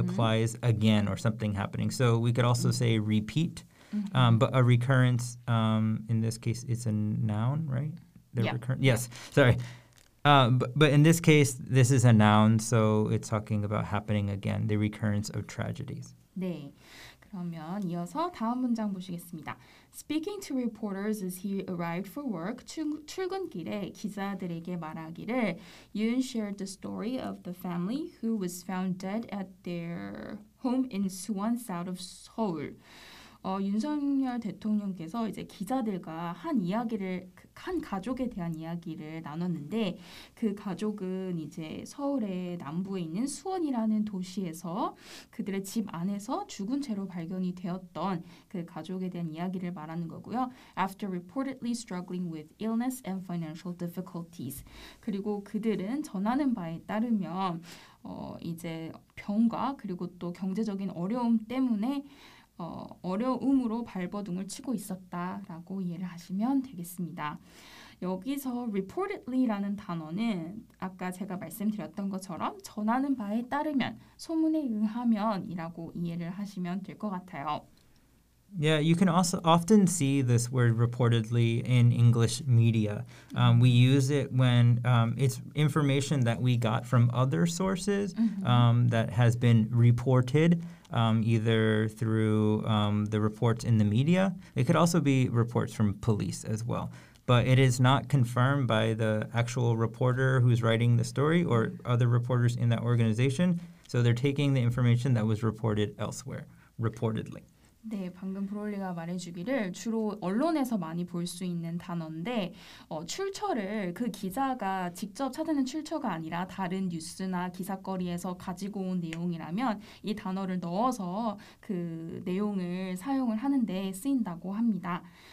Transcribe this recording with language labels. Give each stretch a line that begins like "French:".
English: applies again or something happening. So we could also mm-hmm. say repeat, mm-hmm. But a recurrence, in this case, it's a noun, right? But in this case, this is a noun, so it's talking about happening again, the recurrence of tragedies.
Korean: 네, 그러면 이어서 다음 문장 보시겠습니다.
English: Speaking to reporters as he arrived for work,
Korean: 출근길에 기자들에게 말하기를
English: Yoon shared the story of the family who was found dead at their home in Suwon, south of Seoul.
Korean: 윤석열 대통령께서 이제 기자들과 한 가족에 대한 이야기를 나눴는데 그 가족은 이제 서울의 남부에 있는 수원이라는 도시에서 그들의 집 안에서 죽은 채로 발견이 되었던 그 가족에 대한 이야기를 말하는 거고요.
English: After reportedly struggling with illness and financial difficulties.
Korean: 그리고 그들은 전하는 바에 따르면 이제 병과 그리고 또 경제적인 어려움 때문에 어려움으로 발버둥을 치고 있었다라고 이해를 하시면 되겠습니다. 여기서 reportedly라는 단어는 아까 제가 말씀드렸던 것처럼 전하는 바에 따르면 소문에 의하면이라고 이해를 하시면 될 것 같아요.
English: Yeah, you can also often see this word reportedly in English media. We use it when it's information that we got from other sources that has been reported. Either through the reports in the media. It could also be reports from police as well. But it is not confirmed by the actual reporter who's writing the story or other reporters in that organization. So they're taking the information that was reported elsewhere, reportedly.
Korean: 네, 방금 브롤리가 말해주기를 주로 언론에서 많이 볼 수 있는 단어인데 출처를 그 기자가 직접 찾는 출처가 아니라 다른 뉴스나 기사거리에서 가지고 온 내용이라면 이 단어를 넣어서 그 내용을 사용을 하는데 쓰인다고 합니다.